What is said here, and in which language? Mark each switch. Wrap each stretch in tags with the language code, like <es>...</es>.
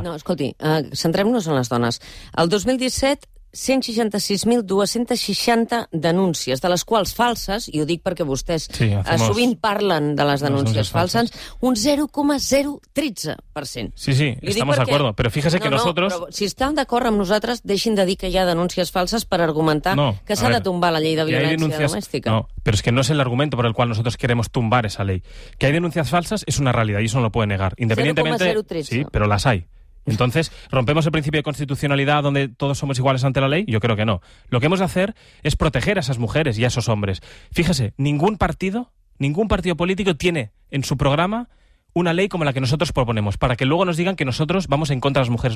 <ca>No, escolti, centrem-nos en las donas. El 2017... 166.260 denúncies, de les quals falses, i ho dic perquè vostès sovint parlen de les denúncies falses, un 0,013%.</ca> <es>Sí, sí, estamos de acuerdo, pero fíjese que nosotros...</es> <ca>Però, si estan d'acord amb nosaltres, deixin de dir que hi ha denúncies falses per argumentar que s'ha de tombar la llei de violència domèstica.</ca> <es>No, pero es que no es el argumento por el cual nosotros queremos tumbar esa ley. Que hay denuncias falsas es una realidad, y eso no lo puede negar. Independientemente, 0,013. Sí, pero las hay. Entonces, ¿rompemos el principio de constitucionalidad donde todos somos iguales ante la ley? Yo creo que no. Lo que hemos de hacer es proteger a esas mujeres y a esos hombres. Fíjese, ningún partido político tiene en su programa una ley como la que nosotros proponemos, para que luego nos digan que nosotros vamos en contra de las mujeres.</es>